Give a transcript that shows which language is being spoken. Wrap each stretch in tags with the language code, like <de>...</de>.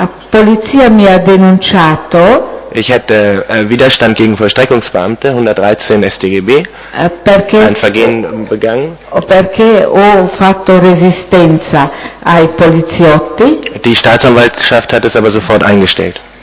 <it>Polizia mi ha denunciato.</it> <de>Ich hätte Widerstand gegen Vollstreckungsbeamte, 113 StGB,</de> <it>perché,</it> <de>ein Vergehen begangen.</de> <it>Perché ho fatto resistenza ai poliziotti.</it> <de>Die Staatsanwaltschaft hat es aber sofort eingestellt.</de>